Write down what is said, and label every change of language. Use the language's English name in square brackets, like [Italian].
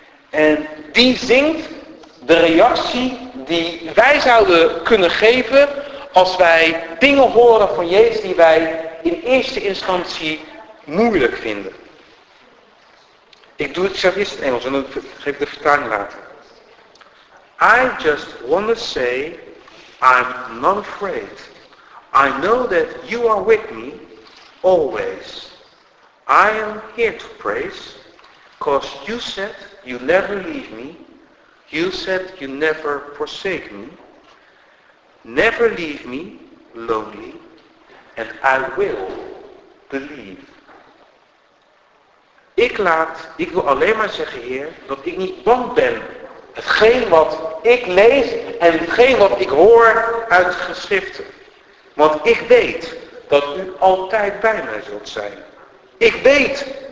[Dutch] En die zingt de reactie die wij zouden kunnen geven als wij dingen horen van Jezus die wij in eerste instantie moeilijk vinden. Ik doe het zelf eerst in Engels en dan geef ik de vertaling later. [English] I just want to say I'm not afraid. I know that you are with me always. I am here to praise. Because you said you never leave me, you said you never forsake me, never leave me lonely, and I will believe. [Dutch] Ik wil alleen maar zeggen, Heer, dat ik niet bang ben. Hetgeen wat ik lees en hetgeen wat ik hoor uit de geschriften. Want ik weet dat u altijd bij mij zult zijn. Ik weet.